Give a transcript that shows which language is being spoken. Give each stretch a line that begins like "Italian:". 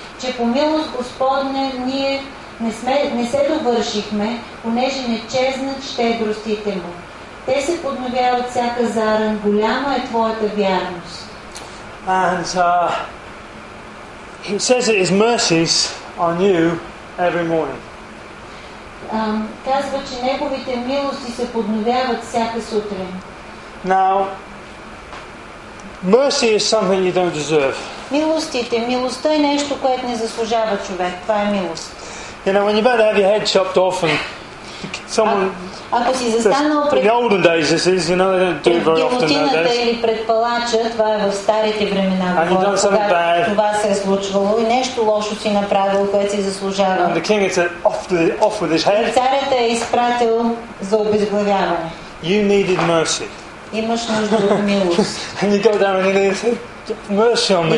Bulgarian: Че по милост Господне ние не се довършихме, понеже не чезнат щедростите му. Те се подновяват всяка заран. Голяма е твоята вярност.
English: And he says that his mercies are new every morning.
Bulgarian: Казва, че неговите милости се подновяват всяка сутрин.
English: Now, mercy is something you don't deserve.
Bulgarian: Милостите, милостта е нещо, което не заслужава човек. Това е милост.
English: You know, when you're about to have your head chopped off and someone.
Bulgarian: Ако си застанал пред гилотината или пред палача, това е в старите времена, когато това се е случвало и нещо лошо си направил, което си заслужава.
English: And the king is off with his head.
Bulgarian: И царят е изпратил за обезглавяване.
English: You needed mercy.
Bulgarian: Имаш нужда от милост.
English: And you go down and you need mercy on me.